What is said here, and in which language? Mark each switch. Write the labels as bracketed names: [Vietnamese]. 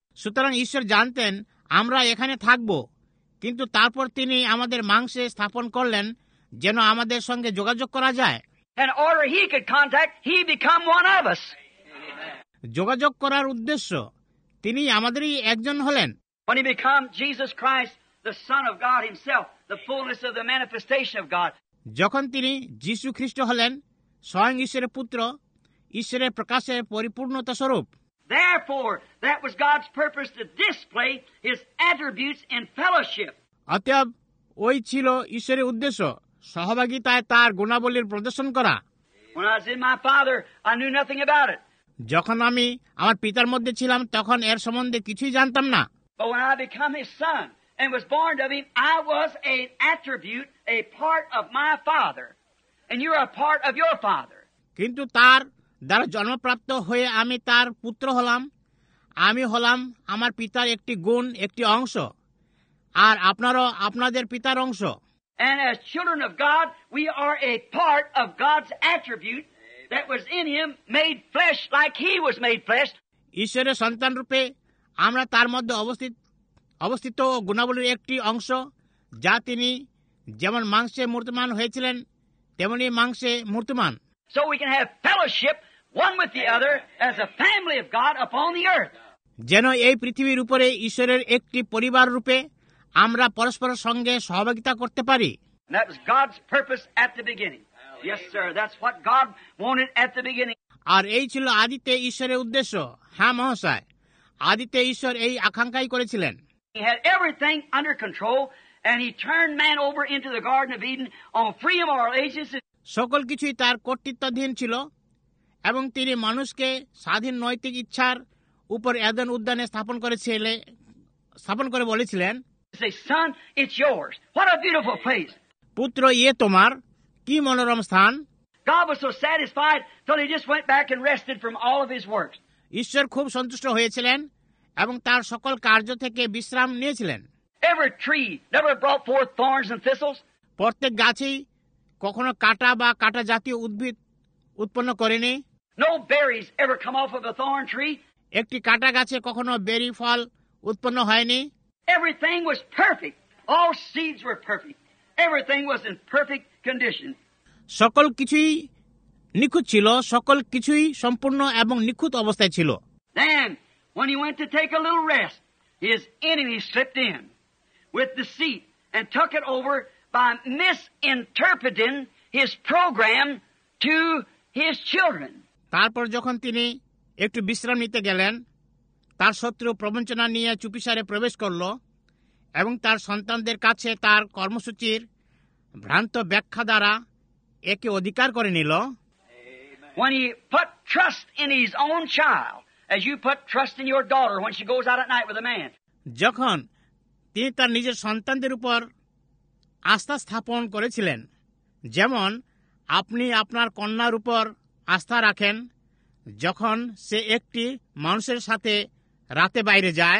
[Bangla] সুতরাং ঈশ্বর জানতেন আমরা এখানে থাকব, কিন্তু তারপর তিনি আমাদের মাংসে স্থাপন করলেন যেন আমাদের সঙ্গে যোগাযোগ করা যায়। [English] And or he could contact, he become one of us. [Bangla] যোগাযোগ করার উদ্দেশ্য তিনি আমাদেরই একজন হলেন। [English] When he became Jesus Christ, the Son of God himself, the fullness of the manifestation of God. [Bangla] যখন তিনি যীশু খ্রিস্ট হলেন, স্বয়ং ঈশ্বরের পুত্র, ঈশ্বরের প্রকাশের পরিপূর্ণতা স্বরূপ। [English] Therefore, that was God's purpose to display his attributes in fellowship. [Bangla] অতএব ওই ছিল ঈশ্বরের উদ্দেশ্য, সহভাগিতায় তার গুণাবলীর প্রদর্শন করা। [English] When I was in my father, I knew nothing about it. [Bangla] যখন আমি আমার পিতার মধ্যে ছিলাম তখন এর সম্বন্ধে কিছুই জানতাম না। [English] But when I became his son and was born of him, I was an attribute, a part of my father. and you are a part of your father. [Bangla] কিন্তু তার দ্বারা জন্মপ্রাপ্ত হয়ে আমি তার পুত্র হলাম, আমি হলাম আমার পিতার একটি গুণ, একটি অংশ, আর আপনারও আপনাদের পিতার অংশ। [English] And as children of God, we are a part of God's attribute that was in him made flesh like he was made flesh. [Bangla] ঈশ্বরের সন্তান রূপে আমরা তার মধ্যে অবস্থিত গুণাবলীর একটি অংশ, যা তিনি যেমন মাংসে মূর্তিমান হয়েছিলেন তেমনি মাংসে মূর্তিমান। [English] So we can have fellowship one with the other as a family of God upon the earth. [Bangla] যেন এই পৃথিবীর উপরে ঈশ্বরের একটি পরিবার রূপে আমরা পরস্পরের সঙ্গে সহভাগিতা করতে পারি। [English] That was God's purpose at the beginning. Yes, sir. That's what God wanted at the beginning. [Bangla] আর এই ছিল আদিতে ঈশ্বরের উদ্দেশ্য। হ্যাঁ মহাশয়, আদিতে ঈশ্বর এই আকাঙ্ক্ষাই করেছিলেন। [English] He had everything under control and he turned man over into the Garden of Eden on free moral agency. [Bangla] সকল কিছুই তার কর্তৃত্বাধীন ছিল এবং তিনি মানুষকে স্বাধীন নৈতিক ইচ্ছার উপর এদেন উদ্যানে স্থাপন করে বলেছিলেন, [English] Son, it's yours. What a beautiful place. [Bangla] পুত্র, ইয়ে তোমার, কি মনোরম স্থান। [English] God was so satisfied till he just went back and rested from all of his works. [Bangla] ঈশ্বর খুব সন্তুষ্ট হয়েছিলেন এবং তার সকল কার্য থেকে বিশ্রাম নিয়েছিলেন। [English] Every tree never brought forth thorns and thistles. [Bangla] প্রত্যেক গাছই কখনো কাটা বা কাটা জাতীয় উদ্ভিদ উৎপন্ন করেনি। [English] No berries ever come off of a thorn tree. [Bangla] একটি কাটা গাছে কখনো বেরি ফল উৎপন্ন হয়নি। [English] Everything was perfect. All seeds were perfect. Everything was in perfect condition. [Bangla] সকল কিছুই নিখুঁত ছিল, সকল কিছুই সম্পূর্ণ এবং নিখুঁত অবস্থায় ছিল। [English] Then, when he went to take a little rest, his enemy slipped in with deceit and took it over by misinterpreting his program to his children. [Bangla] তারপর যখন তিনি একটু বিশ্রাম নিতে গেলেন, তার শত্রু প্রবঞ্চনা নিয়ে চুপিসারে প্রবেশ করল এবং তার সন্তানদের কাছে তার কর্মসূচির ভ্রান্ত ব্যাখ্যা দ্বারা একে অধিকার করে নিল। [English] When he put trust in his own child, as you put trust in your daughter when she goes out at night with a man. [Bangla] যখন তিনি তার নিজের সন্তানদের উপর আস্থা স্থাপন করেছিলেন, যেমন আপনি আপনার কন্যার উপর আস্থা রাখেন যখন সে একটি মানুষের সাথে রাতে বাইরে